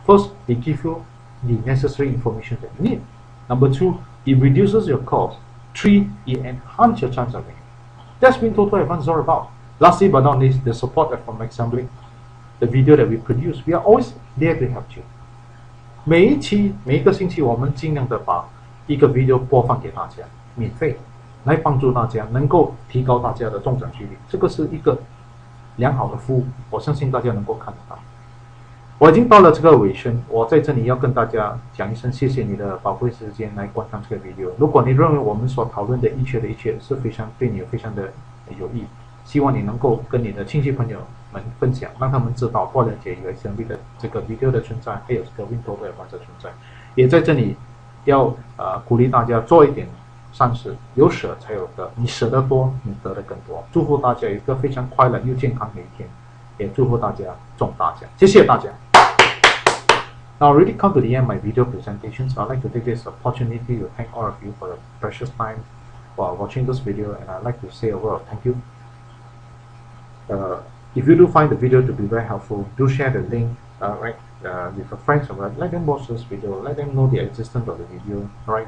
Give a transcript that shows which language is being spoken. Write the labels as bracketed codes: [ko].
[en] First, it gives you the necessary information that you need. Number two, it reduces your cost. Three, it enhances your chance of winning. That's WinTOTO Advance is all about. Lastly, but not least, the support from Assembly. The video that we produce, we are always there to help you. [zh] 每一期每一个星期我们尽量的把一个 video 播放给大家，免费来帮助大家能够提高大家的中奖几率。这个是一个良好的服务，我相信大家能够看得到。我已经到了这个尾声，我在这里要跟大家讲一声谢谢你的宝贵时间来观看这个 video。如果你认为我们所讨论的一切的一切是非常对你非常的有益，希望你能够跟你的亲戚朋友们分享，让他们知道或了解有 SMB 的这个 video 的存在，还有这个 WinTOTO Advance 的存在。也在这里要鼓励大家做一点善事，有舍才有得，你舍得多，你得的更多。祝福大家有一个非常快乐又健康的一天，也祝福大家中大奖，谢谢大家。 [en] Now really come to the end of my video presentation, so I'd like to take this opportunity to thank all of you for your precious time for watching this video, and I'd like to say a word of thank you. If you do find the video to be very helpful, do share the link with your friends, or let them watch this video, let them know the existence of the video, right?